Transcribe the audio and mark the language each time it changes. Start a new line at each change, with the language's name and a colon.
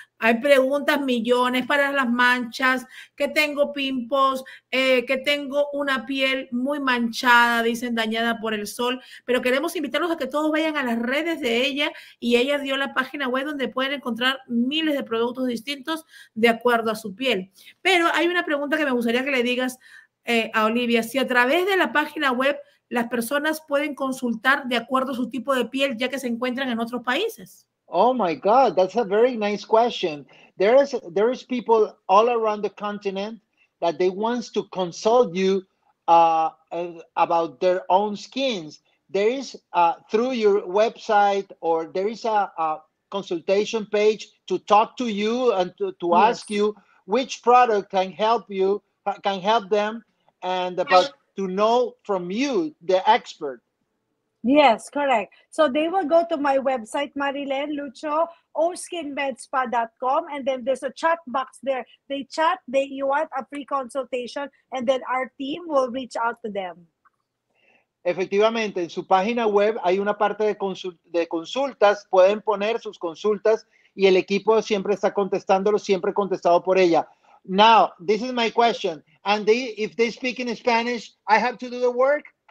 Spanish: Hay preguntas millones para las manchas, que tengo pimpos, que tengo una piel muy manchada, dicen dañada por el sol, pero queremos invitarlos a que todos vayan a las redes de ella, y ella dio la página web donde pueden encontrar miles de productos distintos de acuerdo a su piel. Pero hay una pregunta que me gustaría que le digas a Olivia, si a través de la página web las personas pueden consultar de acuerdo a su tipo de piel, ya que se encuentran en otros países.
English: Oh my God, that's a very nice question. There is people all around the continent that they wants to consult you about their own skins. There is through your website, or there is a consultation page to talk to you and to yes. ask you which product can help you, can help them, and about to know from you, the expert. Yes, correct. So they will go to my website, Marilyn Lucho, oskinmedspa.com, and then there's a chat box there. They chat, you want a free consultation, and then our team will reach out to them.
Spanish: Efectivamente, en su página web hay una parte de consultas. Pueden poner sus consultas, y el equipo siempre está contestándolo, siempre contestado por ella.
English: Now, this is my question. And if they speak in Spanish, I have to do the work?